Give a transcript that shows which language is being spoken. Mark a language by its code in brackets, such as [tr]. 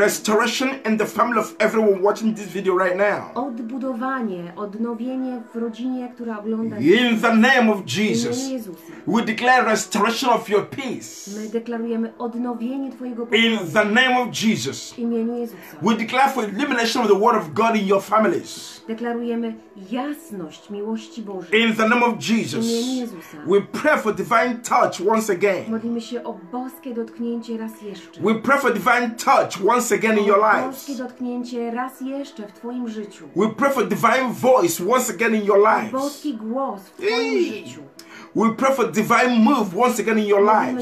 [en] Restoration in the family of everyone watching this video right now. [pl] Odbudowanie, odnowienie w rodzinie, która ogląda. [en] In the name of Jesus. [pl] W imię Jezusa. [en] We declare restoration of your peace. [pl] My deklarujemy odnowienie twojego pokoju. [en] In the name of Jesus. [pl] W imieniu Jezusa. [en] We declare for illumination of the word of God in your families. [pl] Deklarujemy jasność miłości Bożej. [en] In the name of Jesus. [pl] W imieniu Jezusa. [en] We pray for divine touch once again. [pl] Modlimy się o boskie dotknięcie raz jeszcze. [en] We pray for divine touch once again in your life. [pl] Boskie dotknięcie raz jeszcze w twoim życiu. [en] We pray for divine voice once again in your life. [pl] Boski głos w twoim życiu. [en] We pray for divine move once again in your life.